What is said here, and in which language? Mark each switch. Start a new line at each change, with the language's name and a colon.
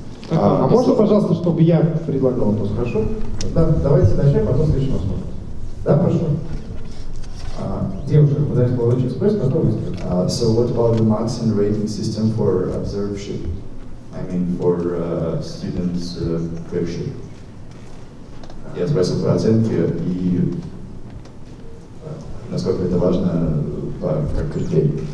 Russian: А можно, пожалуйста, чтобы я предлагал вопрос, хорошо? Да, давайте начнем, потом следующий вопрос. Да, прошу. Девушка, подайте молодой спрос, потом выйдет.
English: So what about the marks and rating system for observership? I mean, for students' preparation.
Russian: Я спросил про оценки и насколько это важно как критерий.